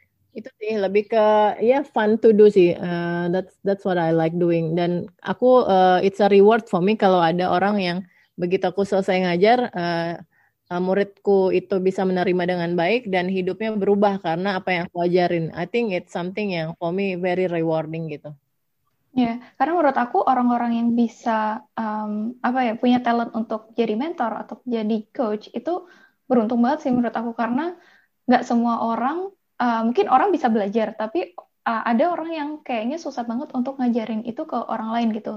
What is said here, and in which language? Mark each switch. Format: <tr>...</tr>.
<id>Itu sih lebih ke ya</id> <en>fun to do sih, that's what I like doing.</en> <id>Dan aku</id> <en>it's a reward for me</en> <id>kalau ada orang yang begitu aku selesai ngajar, muridku itu bisa menerima dengan baik dan hidupnya berubah karena apa yang aku ajarin.</id> <en>I think it's something yang for me very rewarding gitu.</en> <id>Ya, yeah, karena menurut aku orang-orang yang bisa apa ya, punya talent untuk jadi mentor atau jadi coach itu beruntung banget sih menurut aku, karena nggak semua orang. Mungkin orang bisa belajar, tapi ada orang yang kayaknya susah banget untuk ngajarin itu ke orang lain gitu.</id>